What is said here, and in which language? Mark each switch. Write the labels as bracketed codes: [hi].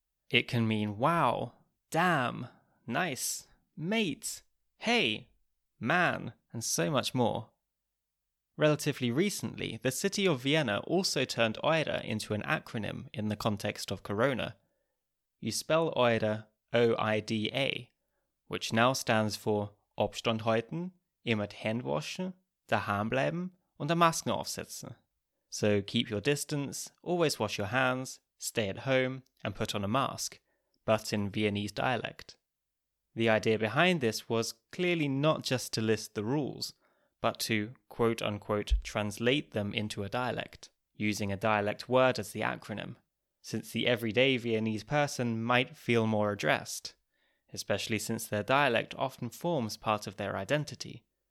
[en] It can mean wow, damn, nice, mate, hey, man, and so much more. Relatively recently, the city of Vienna also turned Oida into an acronym in the context of Corona. You spell Oida O-I-D-A, which now stands for [de] Abstand halten, immer die Hände waschen, daheim bleiben und die Masken aufsetzen. [en] So keep your distance, always wash your hands, stay at home and put on a mask, but in Viennese dialect. The idea behind this was clearly not just to list the rules, but to quote-unquote translate them into a dialect, using a dialect word as the acronym, since the everyday Viennese person might feel more addressed, especially since their dialect often forms part of their identity.